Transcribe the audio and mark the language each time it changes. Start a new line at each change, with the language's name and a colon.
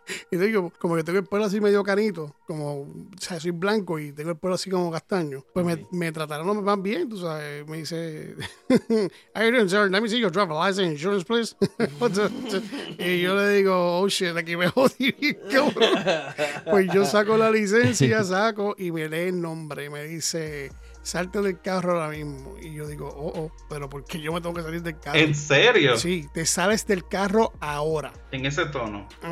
Spanish: Y digo, como que tengo el pelo así medio canito, como, o sea, soy blanco y tengo el pelo así como castaño. Pues me trataron más bien, tú sabes. Me dice,
English: "How you doing, sir? Let me see your driver's license and insurance, please."
Spanish: Y yo le digo,
English: "Oh shit,
Spanish: aquí me jodí." Pues yo saco la licencia, saco y me lee el nombre y me dice, "Salte del carro ahora mismo." Y yo digo, pero ¿por qué yo me tengo que salir del carro? ¿En serio? Sí, te sales del carro ahora. En ese tono.